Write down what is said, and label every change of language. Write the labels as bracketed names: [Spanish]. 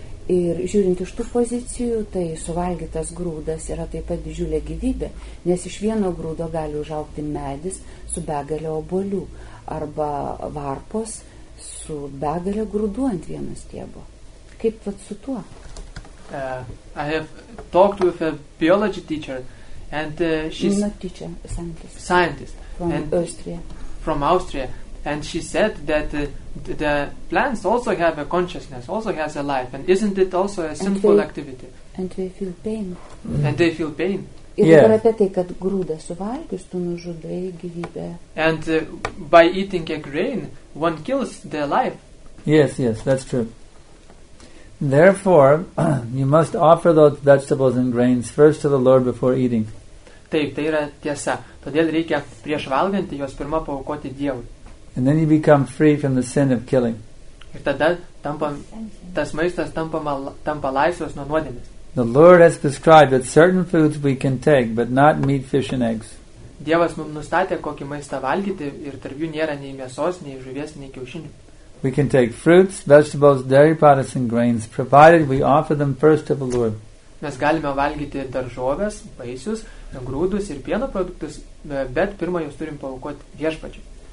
[Lithuanian] Ir žiūrint iš tų pozicijų, tai suvalgytas grūdas yra taip pat didžiulė gyvybė, nes iš vieno grūdo gali užaugti medis su begalio obolių arba varpos su begalio grūdu ant vieno stiebo. Kaip vat su tuo? [English] I have talked with a biology teacher and she's not teacher, scientist. Scientist from Austria. From Austria, and she said that the plants also have a consciousness, also has a life, and isn't it also a sinful activity? And they feel pain. Mm-hmm. And they feel pain. [Lithuanian] Ir apie tai, kad grūdą suvalgius, tu nužudai gyvybę. [English] And by eating a grain, one kills the life. Yes, yes, that's true. Therefore, you must offer those vegetables and grains first to the Lord before eating. [Lithuanian] Taip, tai yra tiesa. Todėl reikia prieš valgantį juos pirma paukoti Dievui. [English] And then you become free from the sin of killing. [Lithuanian] Ir tada tas maistas tampa laisvas nuo nuodėmės. [English] The Lord has prescribed that certain foods we can take, but not meat, fish and eggs. [Lithuanian] Dievas mums nustatė, kokį maistą valgyti, ir tarp jų nėra nei mėsos, nei žuvies, nei kiaušinių. [English] We can take fruits, vegetables, dairy products and grains, provided we offer them first to the Lord. [Lithuanian] Mes galime valgyti daržoves, vaisius, grūdus ir pieno produktus, bet pirma jūs turim paukoti viešpačiui.